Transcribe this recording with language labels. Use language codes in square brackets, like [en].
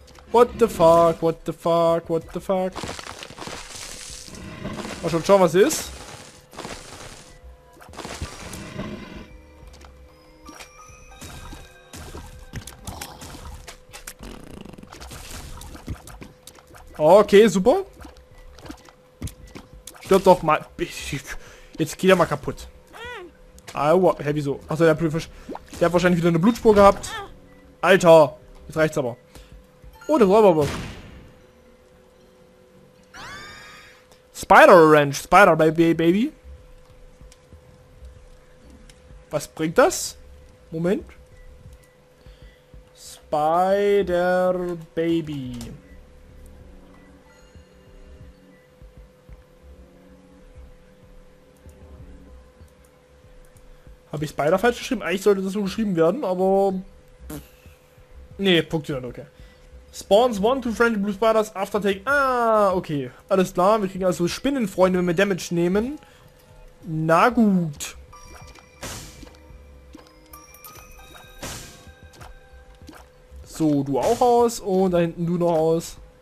[en] What the fuck, what the fuck, what the fuck? [de] Mal schon schauen, was hier ist. Okay, super. Stirb doch mal. Jetzt geht er mal kaputt. Aua, hä, wieso? Achso, der Blutfisch. Der hat wahrscheinlich wieder eine Blutspur gehabt. Alter, jetzt reicht's aber. Oh, der Räuberbock. [en] Spider Ranch, Spider Baby, Baby. [de] Was bringt das? Moment. Spider Baby. Habe ich Spider falsch geschrieben? Eigentlich sollte das so geschrieben werden, aber... Nee, funktioniert, okay. [en] Spawns one, two friendly blue spiders, after take... [de] Ah, okay. Alles klar, wir kriegen also Spinnenfreunde, wenn wir Damage nehmen. Na gut. So, du auch aus und da hinten du noch aus.